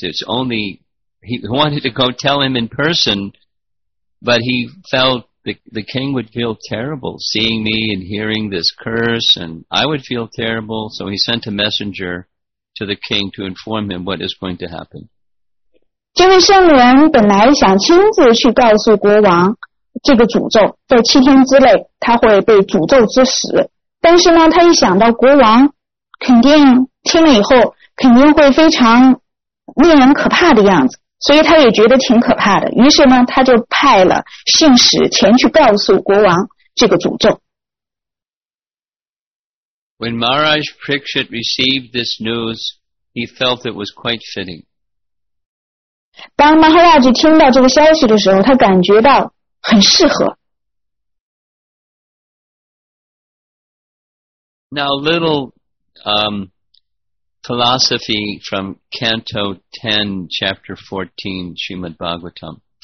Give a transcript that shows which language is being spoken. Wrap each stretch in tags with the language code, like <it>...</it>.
<en>It's only, he wanted to go tell him in person, but he felt the king would feel terrible seeing me and hearing this curse, and I would feel terrible, so he sent a messenger to the king to inform him what is going to happen.</en> <zh>这位圣人本来想亲自去告诉国王这个诅咒，在七天之内他会被诅咒之死，但是呢，他一想到国王肯定听了以后肯定会非常令人可怕的样子，所以他也觉得挺可怕的，于是呢，他就派了信使前去告诉国王这个诅咒。</zh> <en>When Maharaj Pariksit received this news, he felt it was quite fitting.</en> <zh>当马哈拉吉听到这个消息的时候，他感觉到很适合。</zh> <en>Now, a little philosophy from Canto 10, Chapter 14, Srimad Bhagavatam.</en>